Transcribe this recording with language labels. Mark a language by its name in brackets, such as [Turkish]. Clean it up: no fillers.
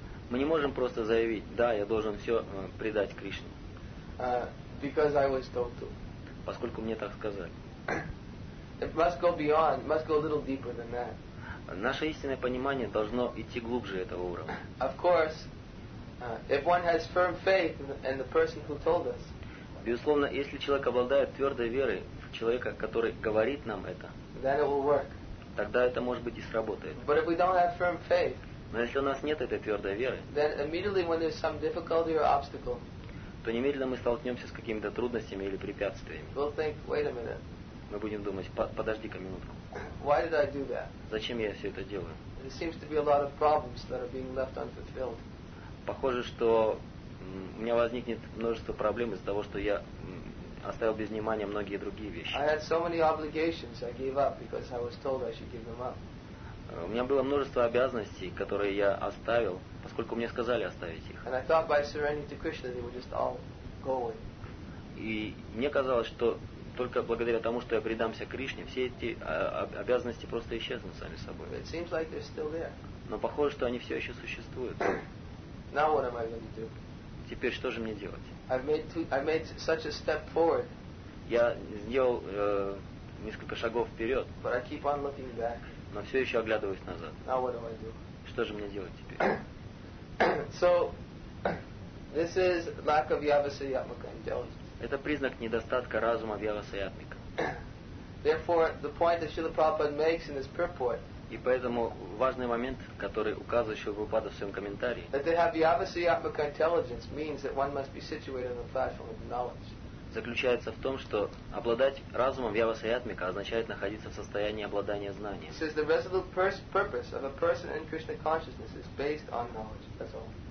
[Russian] Мы не можем просто заявить, да, я должен все предать Кришне. [English] Because I was told to. [Russian] Поскольку мне так сказали. [English] It must go beyond, it must go a little deeper than that. [Russian] Наше истинное понимание должно идти глубже этого уровня. [English] Of course, if one has firm faith in the person who told us. [Russian] Безусловно, если человек обладает твердой верой в человека, который говорит нам это, [English] then it will work. [Russian] Тогда это, может быть, и сработает. [English] But if we don't have firm faith, [Russian] но если у нас нет этой твердой веры, [English] then immediately when there's some difficulty or obstacle, [Russian] то немедленно мы столкнемся с какими-то трудностями или препятствиями. [English] We'll think, wait a minute. [Russian] Мы будем думать, подожди-ка минутку. [English] Why did I do that? [Russian] Зачем я все это делаю? [English] There seems to be a lot of problems that are being left unfulfilled. [Russian] Похоже, что у меня возникнет множество проблем из-за того, что я оставил без внимания многие другие вещи. [English] I had so many obligations, I gave up because I was told I should give them up. [Russian] У меня было множество обязанностей, которые я оставил, поскольку мне сказали оставить их. [English] And I thought by surrendering to Krishna they would just all go away. [Russian] И мне казалось, что только благодаря тому, что я предамся Кришне, все эти обязанности просто исчезнут сами собой. [English] It seems like they're still there. [Russian] Но похоже, что они все еще существуют. [English] Now what am I going to do? [Russian] Теперь что же мне делать? [English] I've made such a step forward. [Russian] Я сделал несколько шагов вперед. [English] But I keep on looking back. [Russian] Но все еще оглядываюсь назад. [English] Now what am I doing? [Russian] Что же мне делать теперь? [English] So this is lack of yavasa yatmaka intelligence. [Russian] Это признак недостатка разума вьяваса ятмика. [English] Therefore, the point that Srila Prabhupada makes in his purport. [Russian] И поэтому важный момент, который указывает Шрила Прабхупада в своем комментарии. [English] That they have yavasa yatmaka intelligence means that one must be situated on the platform of knowledge. [Russian] Заключается в том, что обладать разумом вьяваса ятмика означает находиться в состоянии обладания знанием. [English] Since the resolute purpose of a person in Krishna consciousness is based on knowledge, that's all.